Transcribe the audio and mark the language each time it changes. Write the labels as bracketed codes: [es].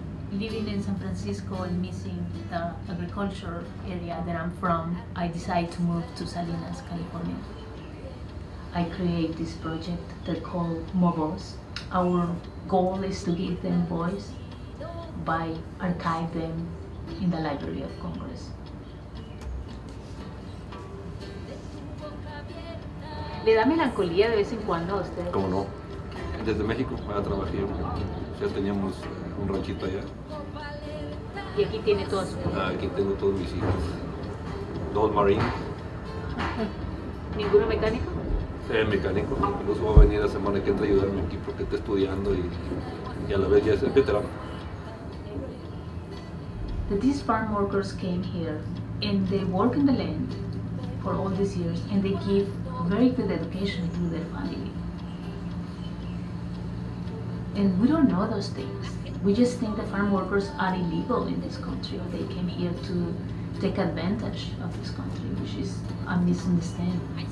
[en] Living in San Francisco and missing the agriculture area that I'm from, I decided to move to Salinas, California. I create this project that called MOVOZ. Our goal is to give them voice by archive them in the Library of Congress. [es] ¿Le da melancolía de vez en cuando a usted? ¿Cómo no? Desde México para trabajar, ya teníamos un ranchito allá. ¿Y aquí tiene todos sus hijos? Aquí tengo todos mis hijos. Dos marines. ¿Ninguno mecánico? Sí, mecánico. Incluso va a venir la semana que entra a ayudarme aquí porque está estudiando y a la vez ya es veterano. [en] These farm workers came here and they work in the land for all these years and they give very good education to their family. And we don't know those things. We just think the farm workers are illegal in this country, or they came here to take advantage of this country, which is a misunderstanding.